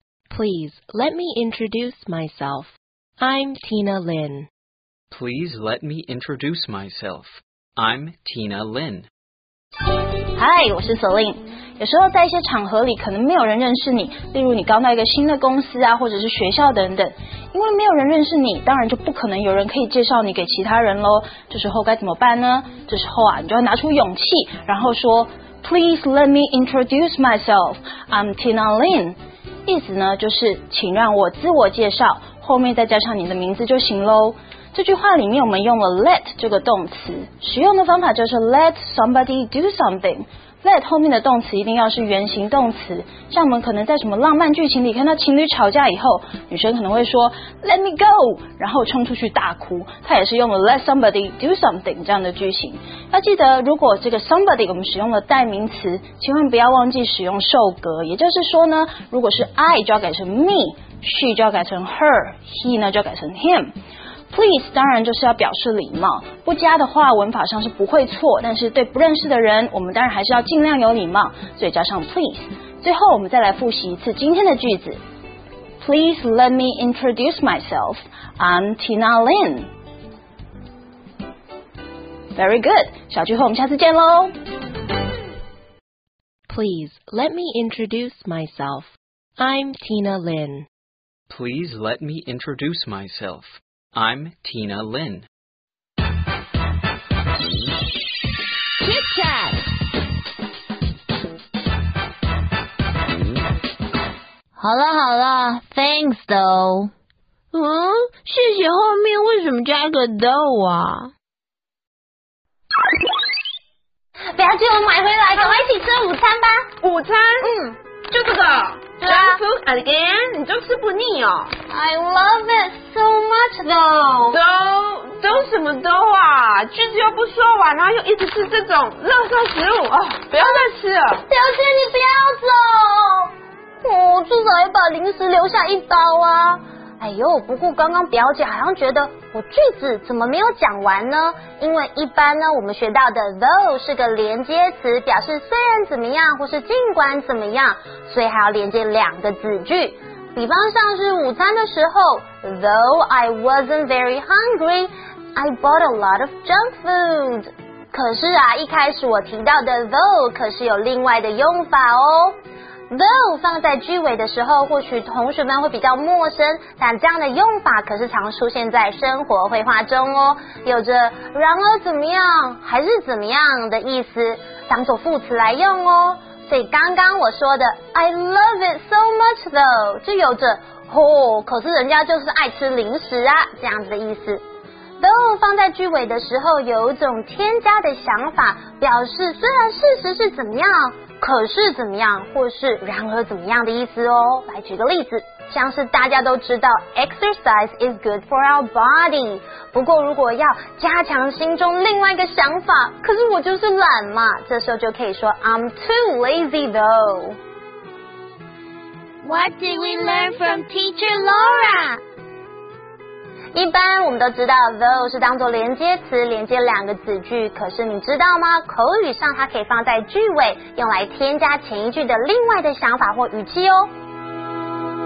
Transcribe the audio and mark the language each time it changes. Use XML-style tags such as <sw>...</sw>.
<en>Please let me introduce myself. I'm Tina Lin. Please let me introduce myself. I'm Tina Lin.</en> <zh>Hi, 我是 Celine. 有时候在一些场合里可能没有人认识你，例如你刚到一个新的公司啊，或者是学校等等，因为没有人认识你，当然就不可能有人可以介绍你给其他人咯。这时候该怎么办呢？这时候啊，你就要拿出勇气，然后说</zh> <en>Please let me introduce myself, I'm Tina Lin。</en> <zh>意思呢就是请让我自我介绍，后面再加上你的名字就行咯。这句话里面我们用了 let 这个动词，使用的方法就是</zh> <en>let somebody do something。</en> <zh>let 后面的动词一定要是原形动词，像我们可能在什么浪漫剧情里看到情侣吵架以后，女生可能会说</zh> <en>let me go，</en> <zh>然后冲出去大哭，她也是用了</zh> <en>let somebody do something</en> <zh>这样的句型。要记得如果这个 somebody 我们使用了代名词，千万不要忘记使用受格，也就是说呢，如果是 I 就要改成 me， she 就要改成 her， he 呢就要改成 him。 Please 当然就是要表示礼貌，不加的话文法上是不会错，但是对不认识的人我们当然还是要尽量有礼貌，所以加上 please。最后我们再来复习一次今天的句子。</zh> <en>Please let me introduce myself, I'm Tina Lin. Very good,</en> <zh>小聚后我们下次见咯。</zh> <en>Please let me introduce myself, I'm Tina Lin. Please let me introduce myselfI'm Tina Lin. Chit Chat. Hello, hello. Thanks, though.</en> <zh>谢谢后面为什么加一个 though 啊？不要急，我买回来，赶快一起吃午餐吧。午餐？嗯，就这个。</zh> <en>Dough food again?</en> <zh>你就吃不腻哦。</zh> <en>I love it so much though.</en> <zh>Dough 什么 dough 啊？句子又不说完，然后又一直吃这种垃圾食物，不要再吃了。小雪，你不要走。我至少也把零食留下一包啊。哎呦，不过刚刚表姐好像觉得我句子怎么没有讲完呢？因为一般呢，我们学到的 though 是个连接词，表示虽然怎么样或是尽管怎么样，所以还要连接两个子句。比方像是午餐的时候 ，</zh> <en>Though I wasn't very hungry, I bought a lot of junk food。</en> <zh>可是啊，一开始我提到的 though 可是有另外的用法哦。 Though 放在句尾的时候，或许同学们会比较陌生，但这样的用法可是常出现在生活会话中哦，有着然而怎么样还是怎么样的意思，当作副词来用哦。所以刚刚我说的</zh> <en>I love it so much though</en> <zh>就有着哦，可是人家就是爱吃零食啊这样子的意思。 Though 放在句尾的时候有一种添加的想法，表示虽然事实是怎么样，可是怎么样，或是然而怎么样的意思哦。来举个例子，像是大家都知道</zh> <en>exercise is good for our body，</en> <zh>不过如果要加强心中另外一个想法，可是我就是懒嘛，这时候就可以说</zh> <en>I'm too lazy though。 What did we learn from teacher Laura？</en> <zh>一般我们都知道 though 是当作连接词，连接两个子句，可是你知道吗，口语上它可以放在句尾，用来添加前一句的另外的想法或语气哦。</zh>